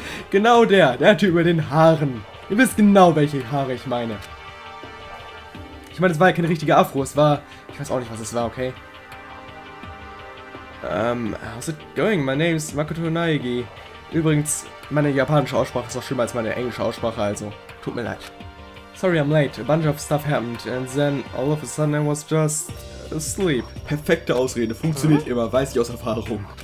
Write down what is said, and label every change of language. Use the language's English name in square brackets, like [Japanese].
[German] Genau der Typ mit den Haaren. Ihr wisst genau, welche Haare ich meine. Ich meine, es war ja keine richtige Afro, es war... Ich weiß auch nicht, was es war, okay? [English] How's it going? My name is Makoto Naegi. [German] Übrigens, Meine japanische Aussprache ist auch schlimmer als meine englische Aussprache, also tut mir leid. [English] Sorry, I'm late. A bunch of stuff happened and then all of a sudden I was just asleep. [German] Perfekte Ausrede, funktioniert immer, weiß ich aus Erfahrung.